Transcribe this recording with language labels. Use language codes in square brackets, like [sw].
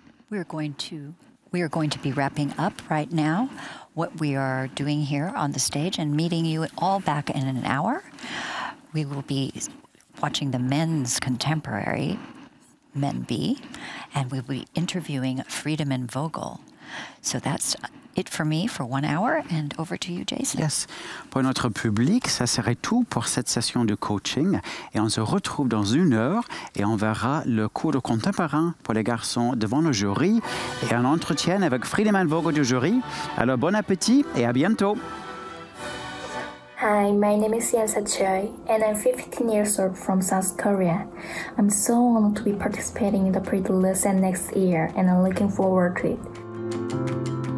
[en] We are going to be wrapping up right now what we are doing here on the stage and meeting you all back in an hour. We will be watching the men's contemporary, Men B, and we'll be interviewing Friedemann and Vogel. So that's it for me for 1 hour, and over to you, Jason. Yes. [fr] Pour notre public, ça serait tout pour cette session de coaching. Et on se retrouve dans une heure et on verra le cours de contemporain pour les garçons devant le jury et un entretien avec Friedemann Vogel du jury. Alors, bon appétit et à bientôt. [en] Hi, my name is Yansa Choi, and I'm 15 years old from South Korea. I'm so honored to be participating in the Prix de Lausanne next year, and I'm looking forward to it.